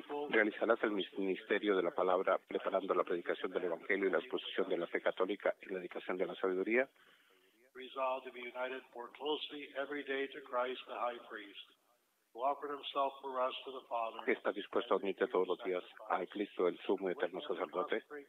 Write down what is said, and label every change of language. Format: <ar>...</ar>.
<es>Realizarás el ministerio de la palabra preparando la predicación del Evangelio y la exposición de la fe católica y la dedicación de la sabiduría.</es> <en>Resolved to be united more closely every day to Christ, the High Priest, who offered himself for us to the Father.</en> <es>¿Estás dispuesto a unirte todos los días a Cristo, el sumo y eterno sacerdote?</es>